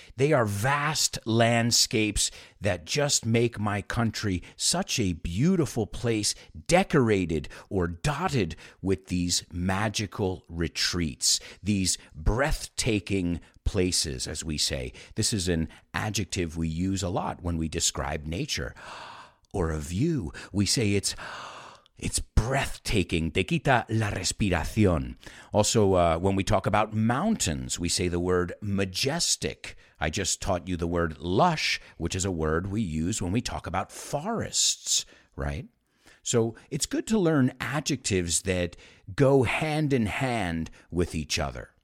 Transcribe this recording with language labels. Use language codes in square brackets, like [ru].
[en] They are vast landscapes that just make my country such a beautiful place, decorated or dotted with these magical retreats, these breathtaking places, as we say. This is an adjective we use a lot when we describe nature or a view. We say it's breathtaking. [es] Te quita la respiración. [en] Also, when we talk about mountains, we say the word majestic. I just taught you the word lush, which is a word we use when we talk about forests, right? So it's good to learn adjectives that go hand in hand with each other.